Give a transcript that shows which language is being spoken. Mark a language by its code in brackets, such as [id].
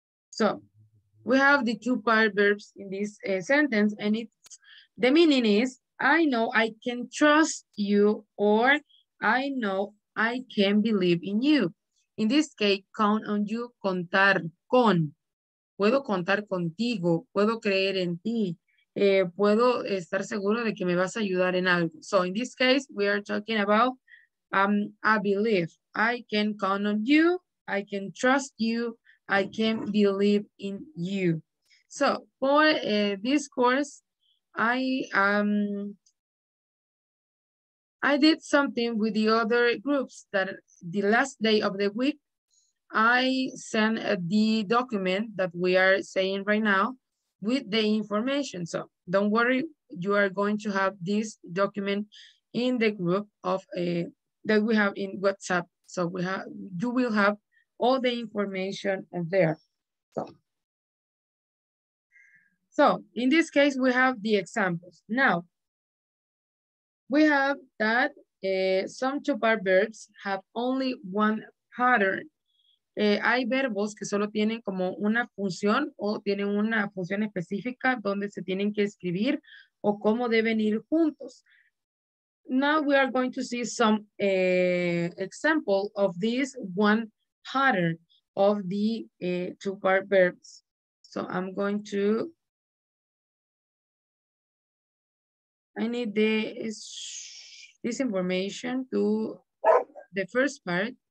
[en] So we have the two part verbs in this sentence, and it's, the meaning is, I know I can trust you, or I know I can believe in you. In this case, count on you, [es] contar con. Puedo contar contigo, puedo creer en ti, puedo estar seguro de que me vas a ayudar en algo. [en] So in this case, we are talking about a belief. I can count on you, I can trust you, I can believe in you. So for this course, I did something with the other groups that the last day of the week, I sent the document that we are saying right now with the information. So don't worry, you are going to have this document in the group of that we have in WhatsApp. So we have, you will have all the information there. So in this case, we have the examples. Now, we have that some two-part verbs have only one pattern. [es] Hay verbos que solo tienen como una función o tienen una función específica donde se tienen que escribir o cómo deben ir juntos. [en] Now we are going to see some example of this one pattern of the two-part verbs. So I'm going to... I need this information to the first part.